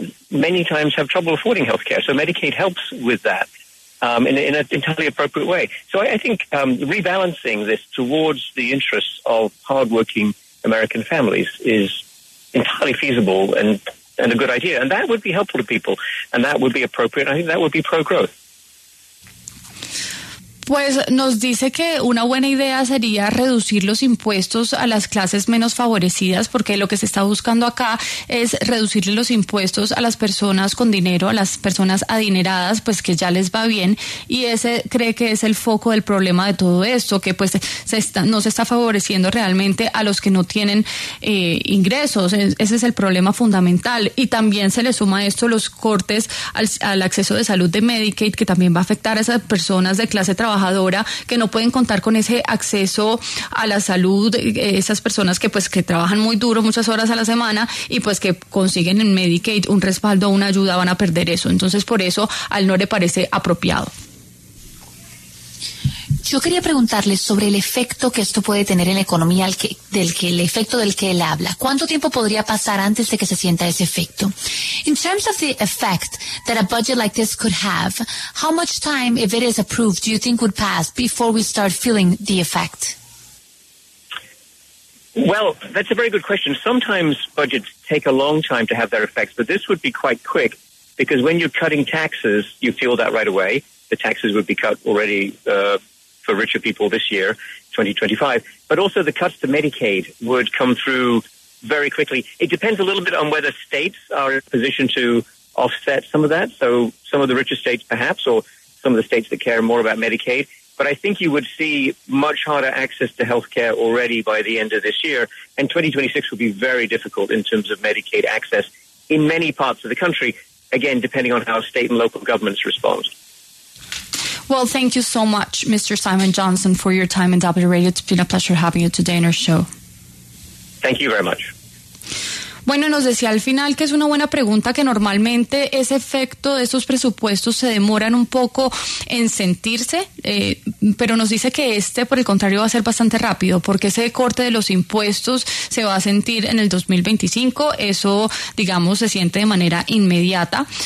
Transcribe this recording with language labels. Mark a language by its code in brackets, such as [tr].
[en] many times have trouble affording health care. So Medicaid helps with that in an entirely appropriate way. So I think rebalancing this towards the interests of hardworking American families is entirely feasible and a good idea. And that would be helpful to people, and that would be appropriate. I think that would be pro-growth. [es] Pues nos dice que una buena idea sería reducir los impuestos a las clases menos favorecidas, porque lo que se está buscando acá es reducirle los impuestos a las personas con dinero, a las personas adineradas, pues que ya les va bien, y ese cree que es el foco del problema de todo esto, que pues no se está favoreciendo realmente a los que no tienen ingresos. Ese es el problema fundamental, y también se le suma esto los cortes al acceso de salud de Medicaid, que también va a afectar a esas personas de clase trabajadora que no pueden contar con ese acceso a la salud, esas personas que pues que trabajan muy duro muchas horas a la semana y pues que consiguen en Medicaid un respaldo, una ayuda, van a perder eso. Entonces, por eso a él no le parece apropiado. Yo quería preguntarle sobre el efecto que esto puede tener en la economía, el efecto del que él habla. ¿Cuánto tiempo podría pasar antes de que se sienta ese efecto? [en] In terms of the effect that a budget like this could have, how much time, if it is approved, do you think would pass before we start feeling the effect? Well, that's a very good question. Sometimes budgets take a long time to have their effects, but this would be quite quick, because when you're cutting taxes, you feel that right away. The taxes would be cut already for richer people this year, 2025. But also the cuts to Medicaid would come through very quickly. It depends a little bit on whether states are in a position to offset some of that. So some of the richer states, perhaps, or some of the states that care more about Medicaid. But I think you would see much harder access to health care already by the end of this year. And 2026 would be very difficult in terms of Medicaid access in many parts of the country, again, depending on how state and local governments respond. Well, thank you so much, Mr. Simon Johnson, for your time in W Radio. It's been a pleasure having you today in our show. Thank you very much. [es] Bueno, nos decía al final que es una buena pregunta, que normalmente ese efecto de esos presupuestos se demoran un poco en sentirse, pero nos dice que este, por el contrario, va a ser bastante rápido, porque ese corte de los impuestos se va a sentir en el 2025, eso, digamos, se siente de manera inmediata,